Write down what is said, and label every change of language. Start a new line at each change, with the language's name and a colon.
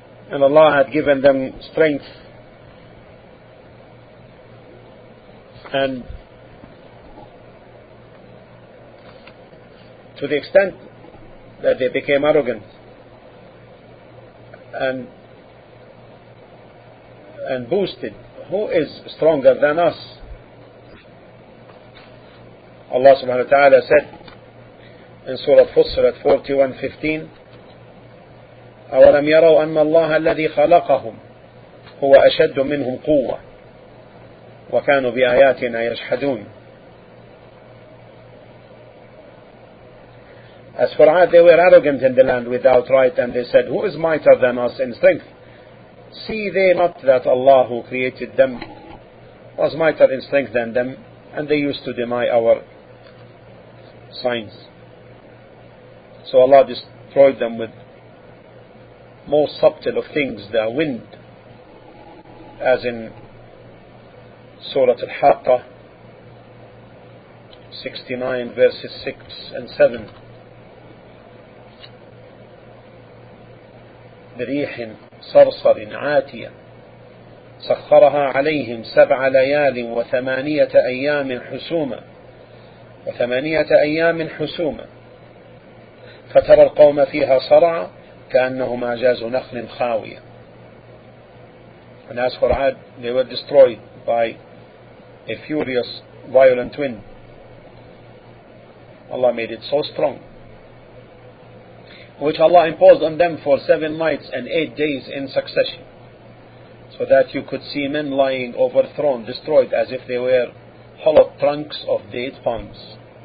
English: And Allah had given them strength and to the extent that they became arrogant and boosted, who is stronger than us? Allah subhanahu wa ta'ala said in Surah Fussilat 41:15,
Arabic: أَوَلَمْ يَرَوْا أَنَّ اللَّهَ الَّذِي خَلَقَهُمْ هُوَ أَشَدُّ مِنْهُمْ قُوَّةً وَكَانُوا بِآيَاتِنَا يَجْحَدُونَ.
English: As for Aad, they were arrogant in the land without right, and they said, who is mightier than us in strength? See they not that Allah who created them was mightier in strength than them, and they used to deny our signs. So Allah destroyed them with most subtle of things, the wind, as in Surah Al-Haqqa 69 verses 6 and 7.
Arabic: بريح صرصر عاتية سخرها عليهم سبع ليال وثمانية أيام حسوما وثمانية أيام حسوما فترى القوم فيها صرعى كأنهم أعجاز نخل خاوية.
English: And as for Ad, they were destroyed by a furious, violent wind. Allah made it so strong, which Allah imposed on them for 7 nights and 8 days in succession, so that you could see men lying overthrown, destroyed, as if they were hollow trunks of date palms.